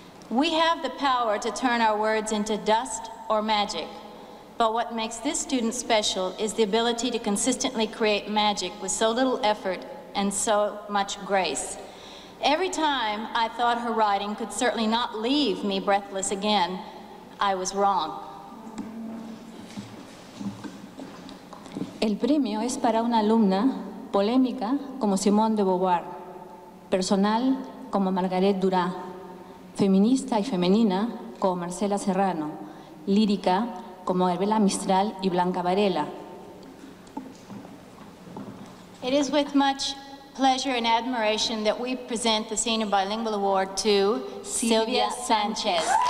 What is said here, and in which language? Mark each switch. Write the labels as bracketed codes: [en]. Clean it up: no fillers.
[en] We have the power to turn our words into dust or magic, but what makes this student special is the ability to consistently create magic with so little effort and so much grace. Every time I thought her writing could certainly not leave me breathless again, I was wrong. [es] El premio es para una alumna polémica como Simone de Beauvoir, personal como Margaret Duras, feminista y femenina como Marcela Serrano, lírica como Gabriela Mistral y Blanca Varela. [en] It is with much pleasure and admiration that we present the Senior Bilingual Award to Silvia Sanchez.